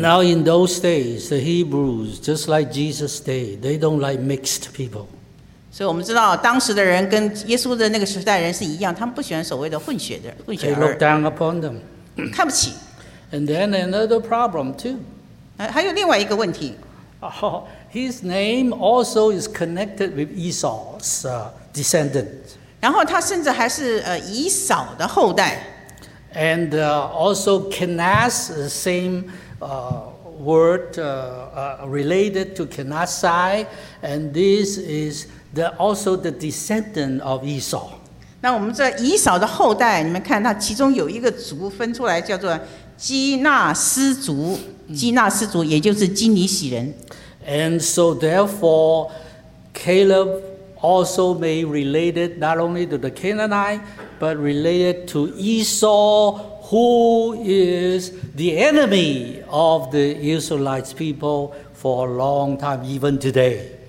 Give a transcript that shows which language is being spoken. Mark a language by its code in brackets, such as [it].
[en] Now in those days, the Hebrews, just like Jesus' day, they don't like mixed people. [zh] 所以我们知道当时的人跟耶稣的那个时代人是一样，他们不喜欢所谓的混血的混血儿。 [en] They look down upon them. [zh] 看不起。 [en] And then another problem too. [zh] 还有另外一个问题。 [en] His name also is connected with Esau's descendant. [zh] 然后他甚至还是以扫的后代。 [en] And also Kenaz, the same word related to Kenazai, and this is. They're also the descendant of Esau. [zh] 那我们这以扫的后代，你们看它其中有一个族分出来叫做基纳斯族，基纳斯族也就是基尼喜人。 [en] And so therefore, Caleb also may related not only to the Canaanite, but related to Esau, who is the enemy of the Israelites people for a long time, even today.